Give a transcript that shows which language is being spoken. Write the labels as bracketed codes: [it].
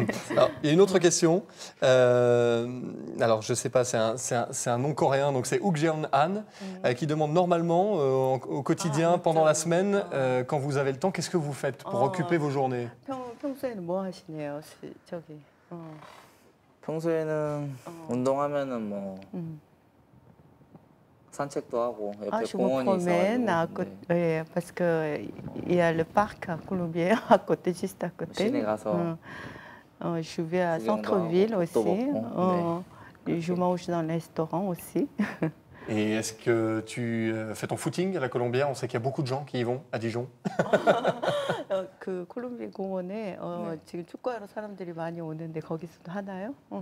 [fr] Alors, il y a une autre question. Alors, je ne sais pas, c'est un nom coréen, donc c'est Uk Jeon Han, qui demande normalement, au quotidien, pendant la semaine, quand vous avez le temps, qu'est-ce que vous faites pour occuper vos journées? [ko] 평소에는 뭐 하시네요, 저기. 평소에는 운동하면은 뭐 [fr] je vous promène à côté, oui, parce que il y a le parc à Colombier à côté, juste à côté. Je vais à centre-ville aussi. Je mange dans le restaurant aussi. Et est-ce que tu fais ton footing à la Colombière? On sait qu'il y a beaucoup de gens qui y vont à Dijon. [ko] Que Colombier Gouane, 지금 축구하러 사람들이 많이 오는데 거기서도 하나요?